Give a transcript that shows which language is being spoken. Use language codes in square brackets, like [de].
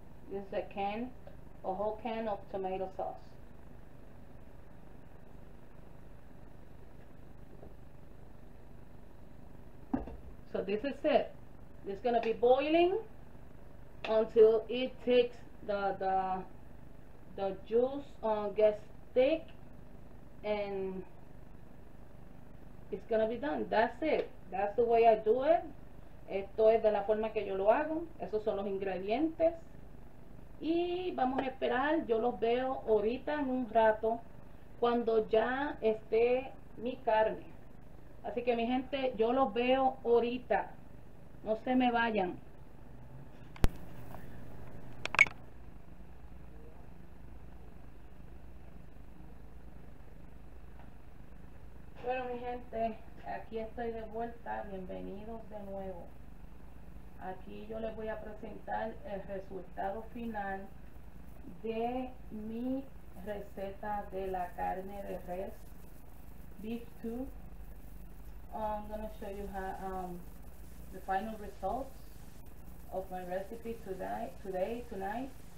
[en] This is a can, a whole can of tomato sauce. So this is it. It's gonna be boiling until it takes the juice gets thick, and it's gonna be done. That's it. That's the way I do it. [es] Esto es de la forma que yo lo hago. Esos son los ingredientes. Y vamos a esperar. Yo los veo ahorita en un rato cuando ya esté mi carne. Así que mi gente, yo los veo ahorita. No se me vayan. Bueno, mi gente, aquí estoy de vuelta. Bienvenidos de nuevo. Aquí yo les voy a presentar el resultado final de mi receta de la carne de res. [en] Beef stew. I'm gonna show you how the final results of my recipe tonight.